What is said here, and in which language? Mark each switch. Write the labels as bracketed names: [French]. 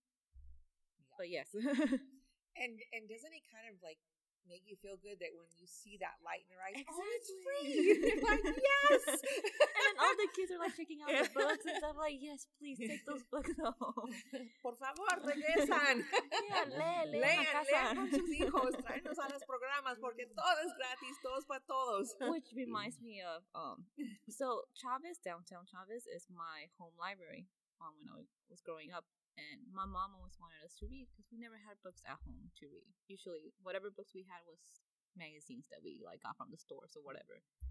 [English] Yeah. But yes. and doesn't it kind of, like, make you feel good that when you see that light in your eyes, exactly. Oh, it's free! You're like, yes! And all the kids are, like, checking out the books and stuff, like, yes, please, take those books home. [Spanish] Por favor, regresan! Lean con sus hijos, tráenos a los programas, porque todo es gratis, todo es para todos. [English] Which reminds me of, so Chavez, downtown Chavez, is my home library when I was growing up. And my mom always wanted us to read because we never had books at home to read. Usually, whatever books we had was magazines that we, like, got from the stores or whatever.